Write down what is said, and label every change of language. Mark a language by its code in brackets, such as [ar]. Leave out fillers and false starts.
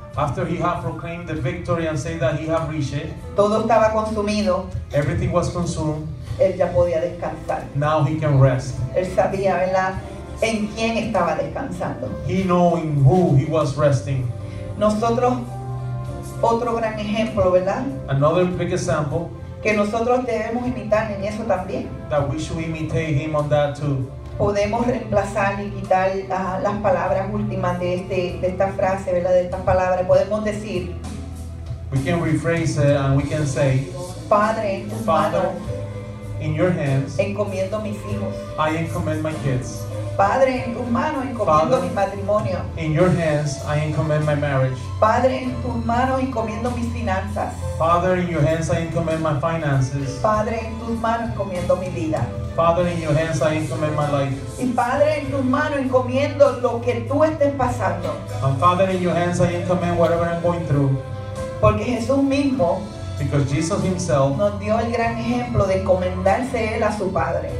[en] After he had proclaimed the victory and said that he had reached it, [es] todo estaba consumido. [en] Everything was consumed. [es] Él ya podía descansar. [en] Now he can rest. [es] Él sabía, ¿verdad?, en quién estaba descansando. [en] He knew in who he was resting. [es] Nosotros, otro gran ejemplo, ¿verdad? [en] Another big example. [es] Que nosotros debemos imitar en eso también. [en] That we should imitate him on that too. [es] Podemos reemplazar y quitar las palabras últimas de este, de esta frase, ¿verdad? De estas palabras. Podemos decir, [en] we can rephrase it and we can say, [es] Padre, en tus [en] Father, [es] manos, [en] in your hands, [es] encomiendo mis hijos. [en] I encomend my kids. [es] Padre, en tus manos encomiendo mi matrimonio. [en] In your hands I encomend my marriage. [es] Padre, en tus manos encomiendo mis finanzas. [en] Father, in your hands I encomend my finances. [es] Padre, en tus manos encomiendo mi vida. [en] Father, in your hands I encomend my life. [es] Y Padre, en tus manos encomiendo lo que tú estés pasando. [en] And Father, in your hands I encomend whatever I'm going through. [es] Porque Jesús mismo, [en] because Jesus himself, [es] nos dio el gran ejemplo de encomendarse él a su padre,